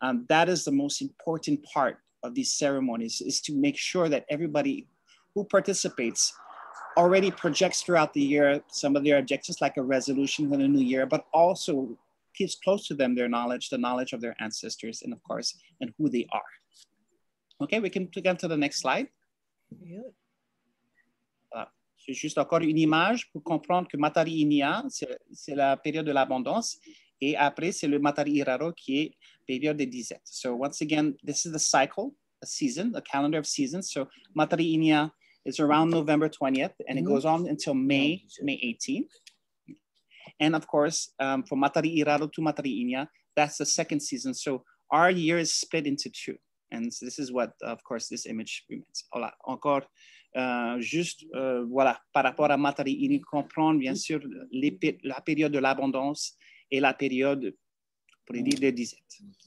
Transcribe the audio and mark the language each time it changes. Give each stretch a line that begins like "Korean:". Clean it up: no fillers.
English: That is the most important part of these ceremonies, is to make sure that everybody who participates already projects throughout the year some of their objectives, like a resolution for the new year, but also keeps close to them their knowledge, the knowledge of their ancestors, and of course, and who they are. Okay, we can click on to the next slide. Yeah.
French: C'est juste encore une image pour comprendre que Matariʻi Niʻa, c'est la période de l'abondance. Et après, c'est le Matariʻi Raro qui est période des disettes.
English: So once again, this is the cycle, a season, a calendar of seasons. So Matariʻi Niʻa is around November 20th, and it goes on until May 18th. And of course, from Matariʻi Raro to Matariʻi Niʻa, that's the second season. So our year is split into two. And so this is what, of course, this image means.
French: Voilà. Encore, juste, voilà, par rapport à Matariʻi Niʻa, comprendre, bien sûr, la période de l'abondance et la période, pour dire, des disettes.